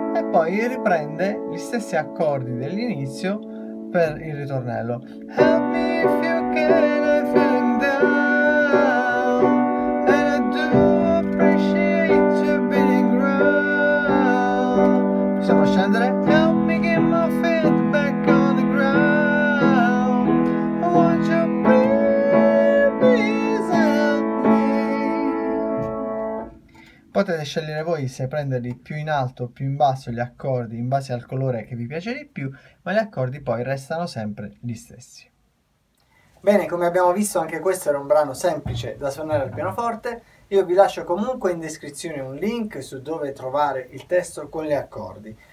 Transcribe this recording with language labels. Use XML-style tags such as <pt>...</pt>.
<it>Poi riprende gli stessi accordi dell'inizio per il ritornello.</it> <en>Help me if you can, I'm feeling down, and I do appreciate you being around.</en> <it>Possiamo scendere?</it> <en>Help me get my feet back on the ground. I want you please help me.</en> <it>Potete scegliere voi se prenderli più in alto o più in basso gli accordi in base al colore che vi piace di più, ma gli accordi poi restano sempre gli stessi. Bene, come abbiamo visto anche questo era un brano semplice da suonare al pianoforte. Io vi lascio comunque in descrizione un link su dove trovare il testo con gli accordi.</it>